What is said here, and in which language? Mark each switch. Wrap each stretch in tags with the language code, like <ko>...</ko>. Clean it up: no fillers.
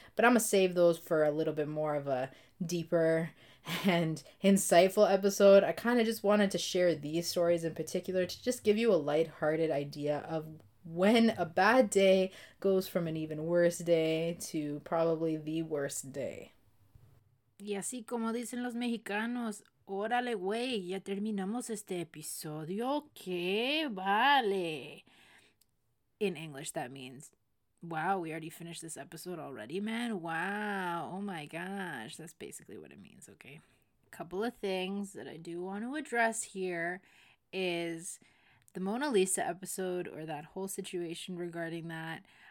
<en>But I'm going to save those for a little bit more of a deeper and insightful episode. I kind of just wanted to share these stories in particular to just give you a lighthearted idea of when a bad day goes from an even worse day to probably the worst day.</en> <es>Y así como dicen los mexicanos, órale güey, ya terminamos este episodio, que vale.</es> <en>In English that means, wow, we already finished this episode already, man. Wow, oh my gosh. That's basically what it means, okay? A couple of things that I do want to address here is the Mona Lisa episode, or that whole situation regarding that.</en>